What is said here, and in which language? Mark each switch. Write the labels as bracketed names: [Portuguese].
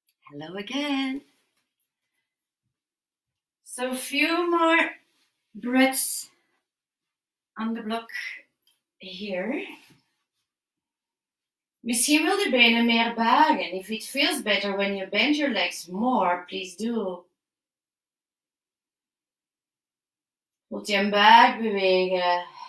[English] Hello again. So a few more breaths on the block here. [Dutch] Misschien wil je benen meer buigen. [English] If it feels better when you bend your legs more, please do. [Dutch] Moet je een buik bewegen.